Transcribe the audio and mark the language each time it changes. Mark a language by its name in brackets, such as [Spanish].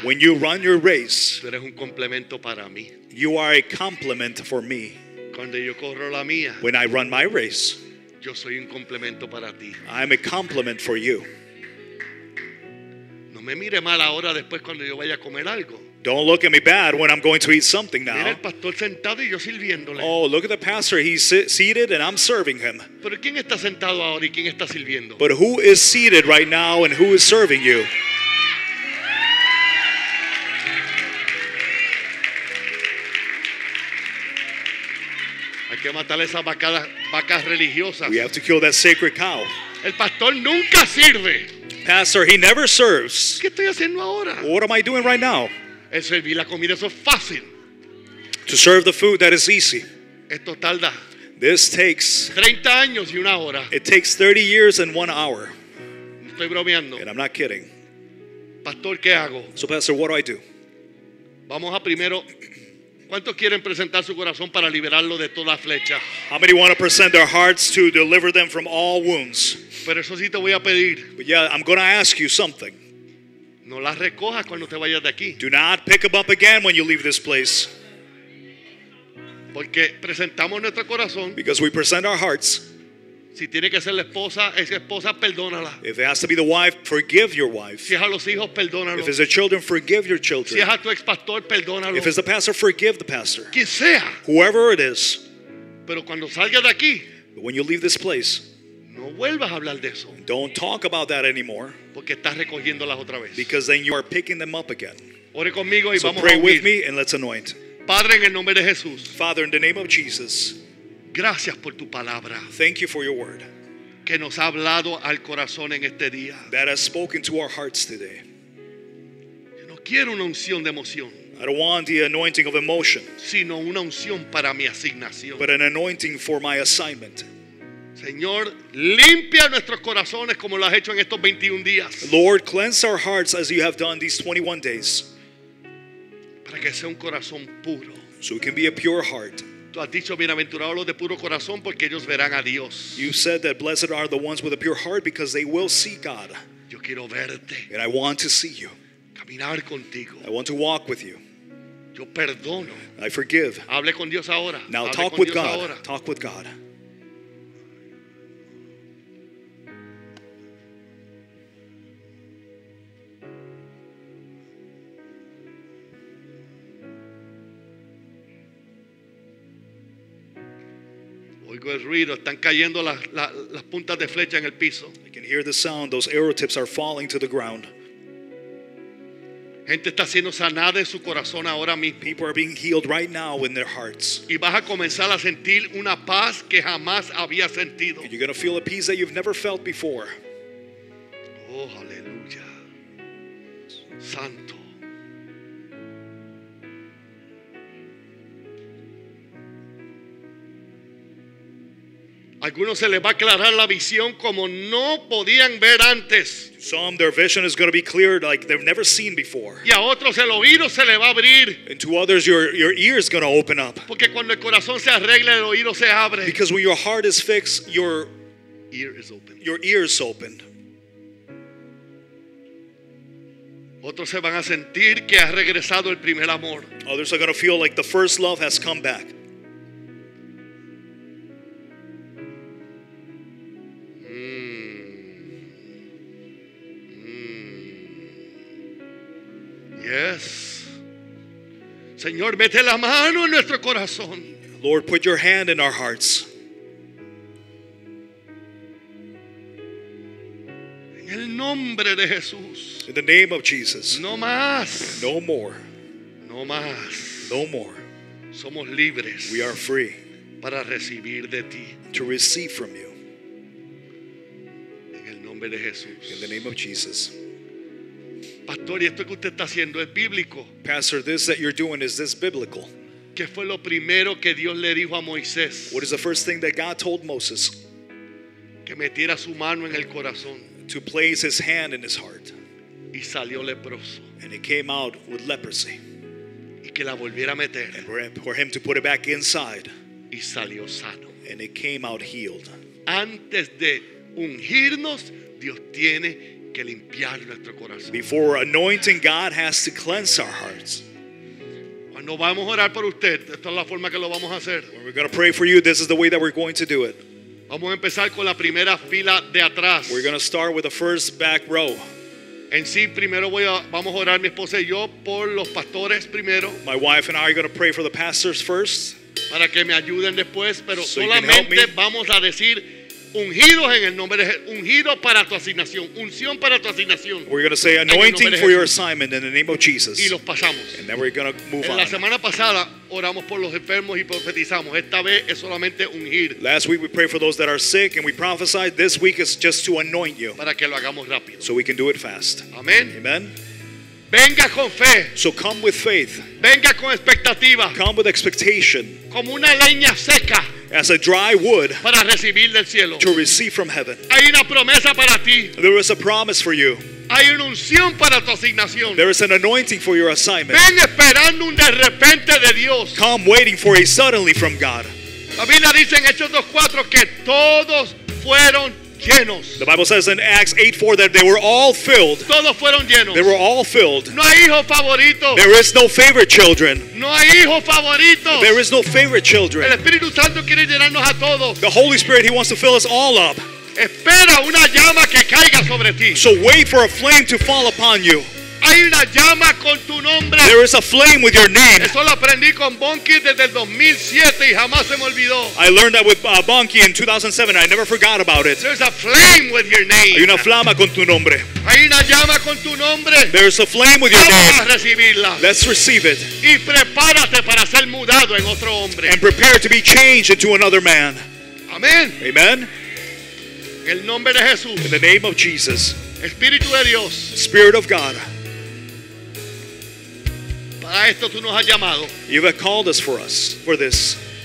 [English] when you run your race, [Spanish] tú eres un complemento para mí. [English] You are a complement for me. [Spanish] Cuando yo corro la mía, [English] when I run my race, [Spanish] yo soy un complemento para ti. [English] I am a complement for you. [Spanish] No me mire mal ahora después cuando yo vaya a comer algo. [English] Don't look at me bad when I'm going to eat something now. [Spanish] Mira el pastor sentado y yo sirviéndole. [English] Oh, look at the pastor. He's seated and I'm serving him. [Spanish] Pero ¿quién está sentado ahora y quién está sirviendo? [English] But who is seated right now and who is serving you? [Spanish] Hay que matar esas vacas religiosas. [English] We have to kill that sacred cow. [Spanish] El pastor nunca sirve. [English] Pastor, he never serves. [Spanish] ¿Qué estoy haciendo ahora? [English] What am I doing right now? [Spanish] El servir la comida, eso es fácil. [English] To serve the food, that is easy. [Spanish] Esto tarda. [English] This takes [Spanish] 30 años y una hora. [English] It takes 30 years and 1 hour. [Spanish] Estoy bromeando. [English] And I'm not kidding. [Spanish] Pastor, ¿qué hago? [English] So pastor, what do I do? [Spanish] Vamos a primero. ¿Cuántos quieren presentar su corazón para liberarlo de toda flecha? [English] How many want to present their hearts to deliver them from all wounds? [Spanish] Pero eso sí te voy a pedir. [English] But yeah, I'm going to ask you something. [Spanish] No la recojas cuando te vayas de aquí. [English] Do not pick them up again when you leave this place. [Spanish] Porque presentamos nuestro corazón. [English] Because we present our hearts. [Spanish] Si tiene que ser la esposa, esa esposa, perdónala. [English] If it has to be the wife, forgive your wife. [Spanish] Si es a los hijos, perdónalo. [English] If it's the children, forgive your children. [Spanish] Si es a tu ex pastor, perdónalo. [English] If it's the pastor, forgive the pastor. [Spanish] Quien sea. [English] Whoever it is. [Spanish] Pero cuando salgas de aquí. [English] But when you leave this place. [Spanish] No vuelvas a hablar de eso. [English] Don't talk about that anymore. [Spanish] Porque estás recogiéndolas otra vez. [English] Because then you are picking them up again. [Spanish] Ore conmigo y [English] so [Spanish] vamos [English] pray [Spanish] a [English] with me and let's anoint. [Spanish] Padre, en el nombre de Jesús. [English] Father, in the name of Jesus. [Spanish] Gracias por tu palabra. [English] Thank you for your word. [Spanish] Que nos ha hablado al corazón en este día. [English] That has spoken to our hearts today. [Spanish] Yo no quiero una unción de emoción. [English] I don't want the anointing of emotion. [Spanish] Sino una unción para mi asignación. [English] But an anointing for my assignment. [Spanish] Señor, limpia nuestros corazones como lo has hecho en estos 21 días. [English] Lord, cleanse our hearts as you have done these 21 days. [Spanish] Para que sea un corazón puro. [English] So it can be a pure heart. [Spanish] Tú has dicho bienaventurados los de puro corazón porque ellos verán a Dios. [English] You said that blessed are the ones with a pure heart because they will see God. [Spanish] Yo quiero verte. [English] And I want to see you. [Spanish] Caminar contigo. [English] I want to walk with you. [Spanish] Yo perdono. [English] I forgive. [Spanish] Hable con Dios ahora. [English] Now [Spanish] hable [English] talk with God. [Spanish] Ahora. [English] Talk with God. [Spanish] Oigo el ruido, están cayendo las puntas de flecha en el piso. [English] I can hear the sound, those arrow tips are falling to the ground. [Spanish] Gente está siendo sanada en su corazón ahora mismo. [English] People are being healed right now in their hearts. [Spanish] Y vas a comenzar a sentir una paz que jamás había sentido. [English] And you're going to feel a peace that you've never felt before. [Spanish] Oh, aleluya. Santo. Algunos se les va a aclarar la visión como no podían ver antes. [English] Some their vision is going to be cleared like they've never seen before. [Spanish] Y a otros el oído se le va a abrir. [English] And to others your ear is going to open up. [Spanish] Porque cuando el corazón se arregla el oído se abre. [English] Because when your heart is fixed your ear is open. Your ears open. [Spanish] Otros se van a sentir que ha regresado el primer amor. [English] Others are going to feel like the first love has come back. [Spanish] Yes. Señor, mete la mano en nuestro corazón. [English] Lord, put your hand in our hearts. [Spanish] En el nombre de Jesús. [English] In the name of Jesus. [Spanish] No más. [English] No more. [Spanish] No más. [English] No more. [Spanish] Somos libres. [English] We are free. [Spanish] Para recibir de ti. [English] To receive from you. [Spanish] En el nombre. nombre de Jesús. [English] In the name of Jesus. [Spanish] Pastor, esto que usted está haciendo es bíblico. [English] Pastor, this that you're doing, is this biblical? [Spanish] ¿Qué fue lo primero que Dios le dijo a Moisés? [English] What is the first thing that God told Moses? [Spanish] Que metiera su mano en el corazón. [English] To place his hand in his heart. [Spanish] Y salió leproso. [English] And he came out with leprosy. [Spanish] Y que la volviera a meter. [English] And for him to put it back inside. [Spanish] Y salió sano. [English] And it came out healed. [Spanish] Antes de ungirnos, Dios tiene que limpiar nuestro corazón. [English] Before anointing, God has to cleanse our hearts. [Spanish] Cuando vamos a orar por usted, esta es la forma que lo vamos a hacer. [English] When we're going to pray for you, this is the way that we're going to do it. [Spanish] Vamos a empezar con la primera fila de atrás. [English] We're going to start with the first back row. [Spanish] En sí, primero voy a, vamos a orar mi esposa y yo por los pastores primero. [English] My wife and I are going to pray for the pastors first. [Spanish] Para que me ayuden después, pero so solamente vamos a decir ungidos en el nombre de Jesús, ungido para tu asignación, unción para tu asignación. [English] We're going to say anointing for your assignment in the name of Jesus. [Spanish] Y los pasamos. [English] And then we're going to move [Spanish] on. La semana pasada oramos por los enfermos y profetizamos. Esta vez es solamente ungir. [English] Last week we prayed for those that are sick and we prophesied. This week is just to anoint you. [Spanish] Para que lo hagamos rápido. [English] So we can do it fast. [Spanish] Amen. [English] Amen. [Spanish] Venga con fe. [English] So come with faith. [Spanish] Venga con expectativa. [English] Come with expectation. [Spanish] Como una leña seca. [English] As a dry wood. [Spanish] Para recibir del cielo. [English] To receive from heaven. [Spanish] Hay una promesa para ti. [English] There is a promise for you. [Spanish] Hay una unción para tu asignación. [English] There is an anointing for your assignment. [Spanish] Ven esperando un de repente de Dios. [English] Come waiting for a suddenly from God. [Spanish] La Biblia dice en Hechos 2:4 que todos fueron llenos. [English] The Bible says in Acts 8:4 that they were all filled. [Spanish] Todos fueron llenos. [English] They were all filled. [Spanish] No hay hijos favoritos. [English] There is no favorite children. [Spanish] No hay hijos favoritos. [English] There is no favorite children. [Spanish] El Espíritu Santo quiere llenarnos a todos. [English] The Holy Spirit, he wants to fill us all up. [Spanish] Espera una llama que caiga sobre ti. [English] So wait for a flame to fall upon you. [Spanish] Hay una llama con tu nombre. [English] There is a flame with your name. [Spanish] Eso lo aprendí con Bonky desde el 2007 y jamás se me olvidó. [English] I learned that with Bonky in 2007. I never forgot about it. There's a flame with your name. [Spanish] Hay una flama con tu nombre. Hay una llama con tu nombre. [English] There is a flame with your name. [Spanish] Vamos a recibirla. [English] Let's receive it. [Spanish] Y prepárate para ser mudado en otro hombre. [English] And prepare to be changed into another man. [Spanish] Amen. [English] Amen. [Spanish] El nombre de Jesús. [English] In the name of Jesus. [Spanish] Espíritu de Dios. [English] Spirit of God. [Spanish] Para esto tú nos has llamado. [English] You have called us for us for this.